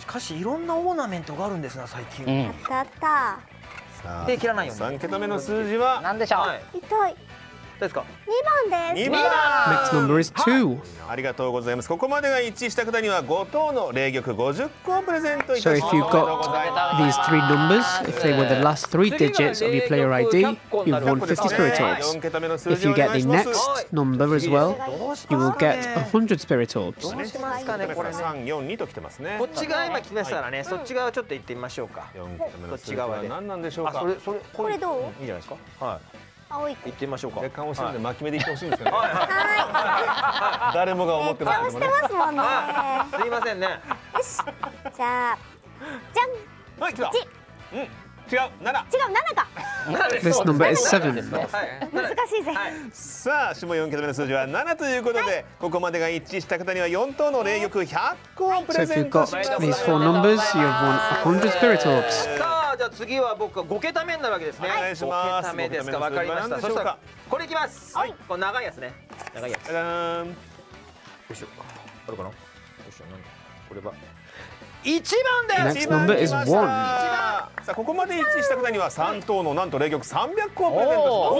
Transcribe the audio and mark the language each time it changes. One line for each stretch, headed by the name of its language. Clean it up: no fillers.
Japanese: しかしいろんなオーナメントがあるんですな、最近。あったあった。で、切らないように。 3桁目の数字は何でしょう。痛い。ですか。 2番です。 2番。
English: Next number is 2、
Japanese: はい、ありがとうございます。ここまでが一致した方には5等の霊玉50個をプレゼントいたします。
English: So if you got these 3 numbers, if they were the last 3 digits of your player ID, you've won 50 spirit orbs. If you get the next number as well, you will get 100 spirit orbs.
Japanese: どうしますかね、これ。 3、4、2と来てますね。こっち側今来ましたらね、そっち側ちょっと行ってみましょうか。 4桁目の数字は何なんでしょうか。あ、それこれどう。いいじゃないですか。はい、青い行ってみましょうか。若干惜しいので巻き目で行ってほしいんですけど、ね、はい、誰もが思ってますけどね。めっちゃ押してますもんね。すいませんね。よし、じゃあじゃん。はい、来た。 1、うん、違う、7。違う、7か。
English: This number is 7。
Japanese: 難しいぜ、はい、さあ、下4桁目の数字は7ということで、はい、ここまでが一致した方には4等の霊玉100個をプレゼントします。
English: So if you've got these 4 numbers, you've won 100 spirit orbs。
Japanese: じゃあ次は僕は5桁目になるわけですね。お願いします。 5桁目ですか。わかりました。そしたらこれいきます。はい、これ長いやつね。長いやつ、ダダーン。よいしょ、あるかな。よいしょ、なんだこれは。 1番です。
English: Next number is 1。
Japanese: さあ、ここまで一致した方には3等のなんと霊玉300個をプレゼントします。